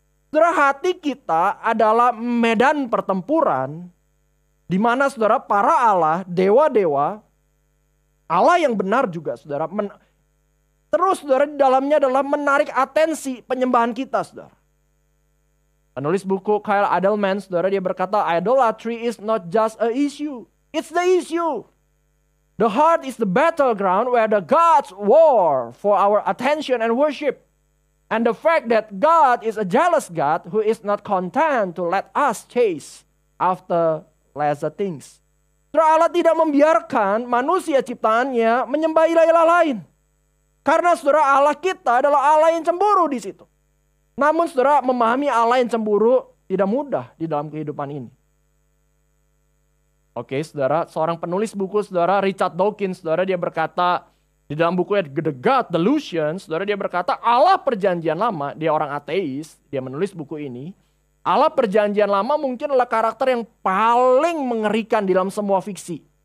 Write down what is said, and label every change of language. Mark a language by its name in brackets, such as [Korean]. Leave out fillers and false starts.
[Indonesian] Saudara, hati kita adalah medan pertempuran di mana saudara para Allah, dewa-dewa, Allah yang benar juga saudara, terus saudara di dalamnya adalah menarik atensi penyembahan kita saudara. Penulis buku Kyle Adelman saudara, dia berkata, [English] idolatry is not just a issue, it's the issue. The heart is the battleground where the gods war for our attention and worship. And the fact that God is a jealous God who is not content to let us chase after lesser things. [Indonesian] Terus Allah tidak membiarkan manusia ciptaannya menyembah ilah-ilah lain. Karena saudara, Allah kita adalah Allah yang cemburu di situ. Namun saudara, memahami Allah yang cemburu tidak mudah di dalam kehidupan ini. Oke, saudara, seorang penulis buku, saudara, Richard Dawkins, saudara, dia berkata, di dalam bukunya The God Delusion, saudara, dia berkata, Allah perjanjian lama, dia orang ateis, dia menulis buku ini, Allah perjanjian lama mungkin adalah karakter yang paling mengerikan di dalam semua fiksi.